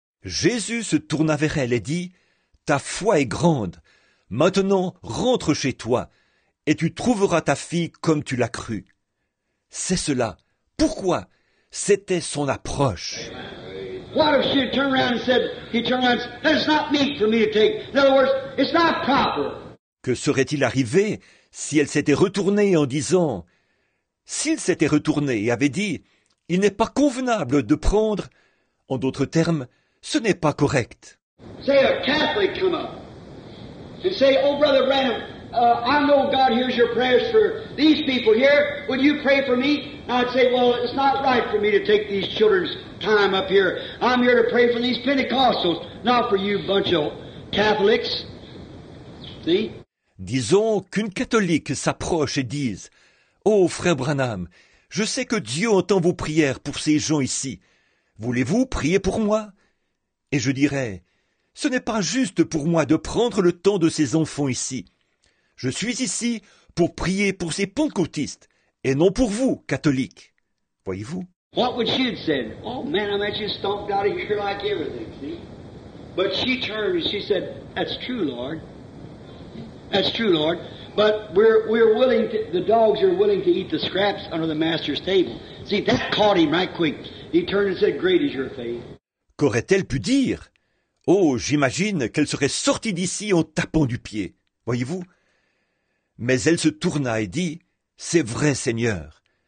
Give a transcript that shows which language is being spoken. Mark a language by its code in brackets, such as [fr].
[fr] Jésus se tourna vers elle et dit, ta foi est grande. Maintenant, rentre chez toi et tu trouveras ta fille comme tu l'as cru. C'est cela. Pourquoi? C'était son approche. [en] What if she had turned around and said, he turned around and said, that's not meat for me to take. In other words, it's not proper. [fr] Que serait-il arrivé si elle s'était retournée en disant, s'il s'était retourné et avait dit, il n'est pas convenable de prendre, en d'autres termes, ce n'est pas correct. [en] Say a Catholic come up and say, oh brother Branham, I know God hears your prayers for these people here. Would you pray for me? And I'd say, well, it's not right for me to take these children's time up here. I'm here to pray for these Pentecostals, not for you bunch of Catholics. See? [fr] Disons qu'une catholique s'approche et dise, « Oh, frère Branham, je sais que Dieu entend vos prières pour ces gens ici. Voulez-vous prier pour moi ?» Et je dirais, « Ce n'est pas juste pour moi de prendre le temps de ces enfants ici. Je suis ici pour prier pour ces pentecôtistes et non pour vous, catholiques. » Voyez-vous ? [en] What would she have said? Oh, man, I'm actually stomped out of here like everything, see? But she turned and she said, that's true, Lord. That's true, Lord. But we're willing to, the dogs are willing to eat the scraps under the master's table. See, that caught him right quick. He turned and said, great is your faith. [fr] Qu'aurait-elle pu dire? Oh, j'imagine qu'elle serait sortie d'ici en tapant du pied, voyez-vous? Mais elle se tourna et dit, c'est vrai, Seigneur.